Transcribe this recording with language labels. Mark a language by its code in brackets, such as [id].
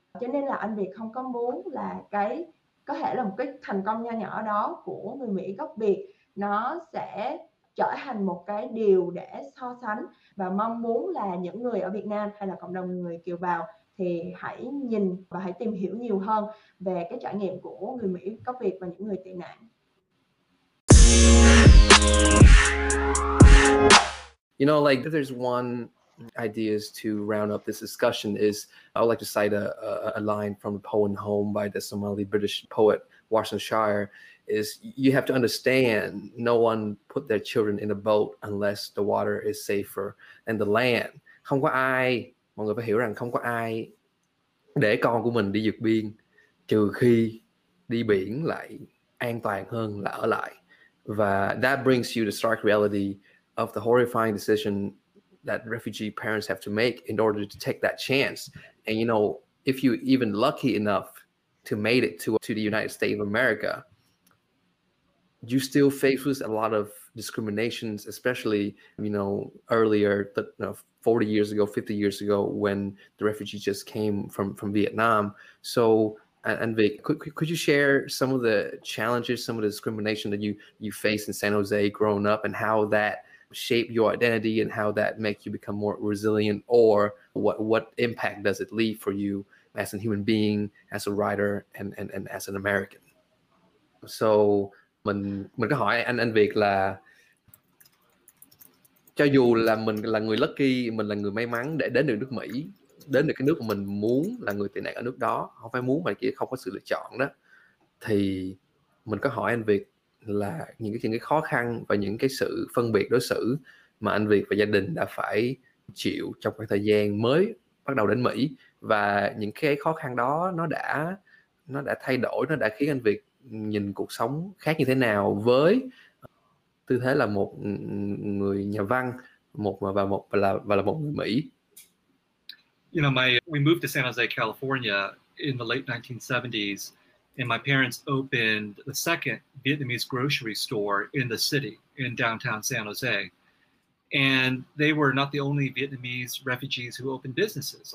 [vi] Cho nên là anh Việt không có muốn là cái có thể là một cái thành công nho nhỏ đó của người Mỹ gốc Việt nó sẽ trở thành một cái điều để so sánh, và mong muốn là những người ở Việt Nam hay là cộng đồng người kiều bào thì hãy nhìn và hãy tìm hiểu nhiều hơn về cái trải nghiệm của người Mỹ gốc Việt và những người tị nạn. [en] You know, like there's one idea to round up this discussion is, I would like to cite a line from a poem Home by the Somali British poet Warsan Shire, is you have to understand no one put their children in a boat unless the water is safer and the land. [vi] Không có ai, mọi người phải hiểu rằng không có ai để con của mình đi vượt biên trừ khi đi biển lại an toàn hơn là ở lại. [en] Và that brings you the stark reality of the horrifying decision that refugee parents have to make in order to take that chance. And you know, if you even lucky enough to made it to the United States of America, you still face with a lot of discriminations, especially, you know, earlier, 40 years ago, 50 years ago, when the refugee just came from Vietnam. So, and Vic, could you share some of the challenges, some of the discrimination that you faced in San Jose growing up, and how that shape your identity and how that make you become more resilient, or what impact does it leave for you as a human being, as a writer, and as an American? [vi] So mình có hỏi anh Việt là cho dù là mình là người lucky, mình là người may mắn để đến được nước Mỹ, đến được cái nước mà mình muốn, là người tị nạn ở nước đó, không phải muốn mà chỉ không có sự lựa chọn đó, thì mình có hỏi anh Việt là những cái khó khăn và những cái sự phân biệt đối xử mà anh Việt và gia đình đã phải chịu trong khoảng thời gian mới bắt đầu đến Mỹ, và những cái khó khăn đó nó đã thay đổi, nó đã khiến anh Việt nhìn cuộc sống khác như thế nào với tư thế là một người nhà văn, một người Mỹ. [en] You know, we moved to San Jose, California in the late 1970s. And my parents opened the second Vietnamese grocery store in the city, in downtown San Jose. And they were not the only Vietnamese refugees who opened businesses.